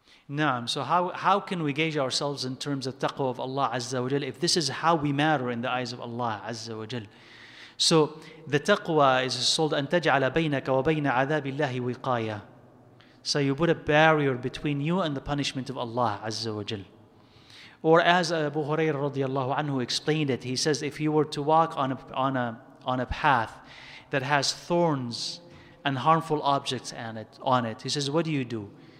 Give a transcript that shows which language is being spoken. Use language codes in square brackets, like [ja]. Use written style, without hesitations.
[en] Naam, so how can we gauge ourselves in terms of taqwa of Allah Azza wa Jal, if this is how we matter in the eyes of Allah Azza wa Jal? So the taqwa is sold, [ar] أن تجعل بينك وبين عذاب الله وقايا. [en] So you put a barrier between you and the punishment of Allah Azza wa Jal. Or as Abu Hurairah radiallahu anhu explained it, he says, if you were to walk on a path that has thorns and harmful objects on it, he says, what do you do?